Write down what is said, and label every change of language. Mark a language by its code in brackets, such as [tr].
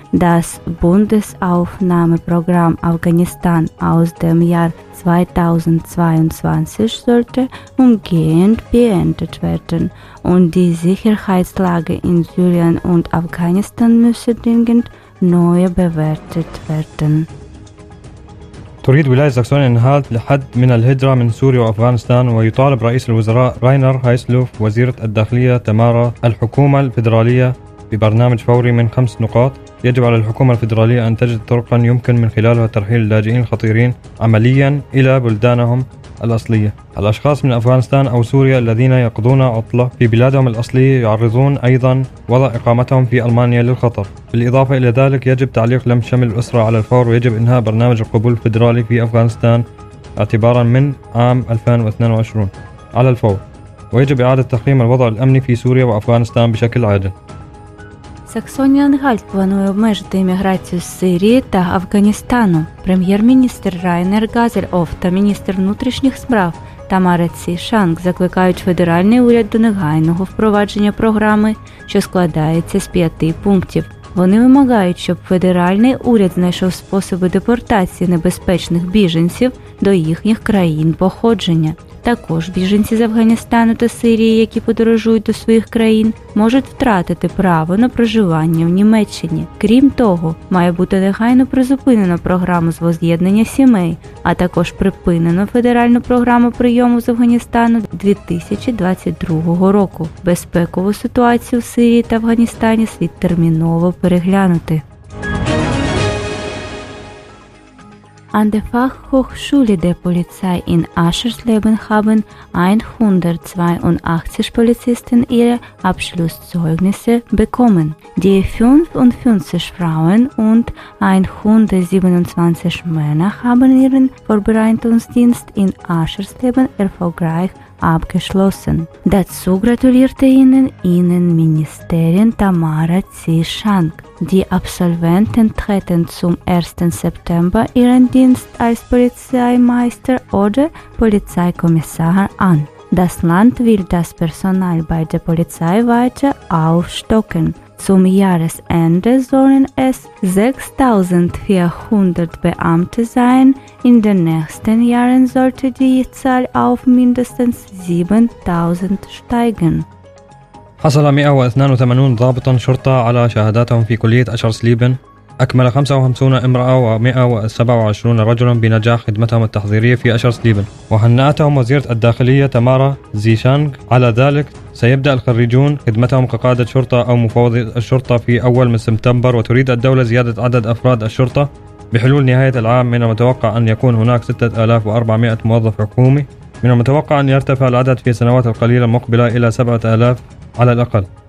[de] Das Bundesaufnahmeprogramm Afghanistan aus dem Jahr 2022 sollte umgehend beendet werden und die Sicherheitslage in Syrien und Afghanistan müsse dringend neu bewertet werden. [ar] تريد ولاية ساكسون-أنهالت لحد من الهجرة من سوريا وأفغانستان ويطالب رئيس الوزراء راينر هايسلوف وزيرة الداخلية تمارا الحكومة الفيدرالية ببرنامج فوري من 5 نقاط يجب على الحكومة الفيدرالية أن تجد طرقا يمكن من خلالها ترحيل اللاجئين الخطيرين عمليا إلى بلدانهم الأصلية الأشخاص من أفغانستان أو سوريا الذين يقضون عطلة في بلادهم الأصلية يعرضون أيضا وضع إقامتهم في ألمانيا للخطر بالإضافة إلى ذلك يجب تعليق لم شمل الأسرة على الفور ويجب إنهاء برنامج القبول الفيدرالي في أفغانستان اعتبارا من عام 2022 على الفور ويجب إعادة تقييم الوضع الأمني في سوريا وأفغانستان بشكل عاجل [uk] Саксонія-Анхальт планує обмежити імміграцію з Сирії та Афганістану. Прем'єр-міністр Райнер Газельоф та міністр внутрішніх справ Тамара Цішанг закликають федеральний уряд до негайного впровадження програми, що складається з 5 пунктів. Вони вимагають, щоб федеральний уряд знайшов способи депортації небезпечних біженців до їхніх країн походження. Також біженці з Афганістану та Сирії, які подорожують до своїх країн, можуть втратити право на проживання в Німеччині. Крім того, має бути негайно призупинена програма з воз'єднання сімей, а також припинено федеральну програму прийому з Афганістану 2022 року. Безпекову ситуацію в Сирії та Афганістані слід терміново переглянути. [de] An der Fachhochschule der Polizei in Ascherleben haben 182 Polizisten ihre Abschlusszeugnisse bekommen. Die 55 Frauen und 127 Männer haben ihren Vorbereitungsdienst in Ascherleben erfolgreich abgeschlossen. Dazu gratulierte ihnen Innenministerin Tamara Tsishang. Die Absolventen treten zum 1. September ihren Dienst als Polizeimeister oder Polizeikommissar an. Das Land will das Personal bei der Polizei weiter aufstocken. Zum Jahresende sollen es 6.400 Beamte sein. In den nächsten Jahren sollte die Zahl auf mindestens 7.000 steigen. [ar] حصل 182 ضابط شرطة على شهاداتهم في كلية أشرسليبن. أكمل 55 امرأة و 127 رجلا بنجاح خدمتهم التحضيرية في أشرسليبن. وهنأتهم وزيرة الداخلية تمارا زيشانغ على ذلك. سيبدأ الخريجون خدمتهم كقادة شرطة أو مفوض الشرطة في أول من سبتمبر وتريد الدولة زيادة عدد أفراد الشرطة بحلول نهاية العام من المتوقع أن يكون هناك 6400 موظف حكومي من المتوقع أن يرتفع العدد في السنوات القليلة المقبلة إلى 7000 على الأقل